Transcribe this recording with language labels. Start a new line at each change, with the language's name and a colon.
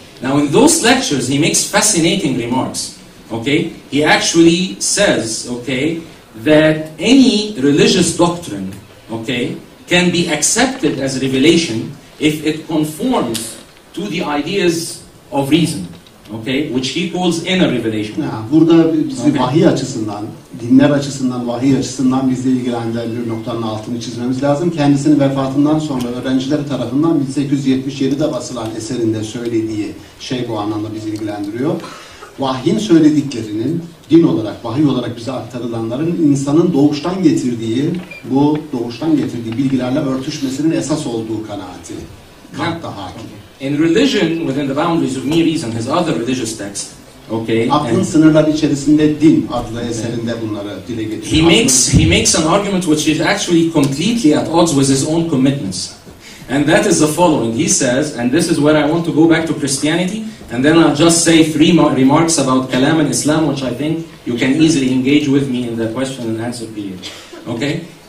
English: Now in those lectures, he makes fascinating remarks. Okay, he actually says, okay, that any religious doctrine, okay, can be accepted as a revelation if it conforms to the ideas of reason, okay, which he calls inner revelation.
Turkish: Ya burada bizi vahiy açısından, dinler açısından, vahiy açısından bizi ilgilendiren noktanın altını çizmemiz lazım. Kendisinin vefatından sonra öğrencileri tarafından 1877'de basılan eserinde söylediği şey bu anlamda bizi ilgilendiriyor. Vahyin söylediklerinin din olarak, vahiy olarak bize aktarılanların insanın doğuştan getirdiği, bu doğuştan getirdiği bilgilerle örtüşmesinin esas olduğu kanaati. Kant da hakim.
English: In religion, within the boundaries of mere reason, his other religious texts, okay.
Turkish: Aklın sınırları içerisinde din adlı eserinde bunları dile getiriyor.
English: He makes an argument which is actually completely at odds with his own commitments. And that is the following. He says, and this is where I want to go back to Christianity, and then I'll just say 3 remarks about Kalam and Islam, which I think you can easily engage with me in the question and answer period. Okay?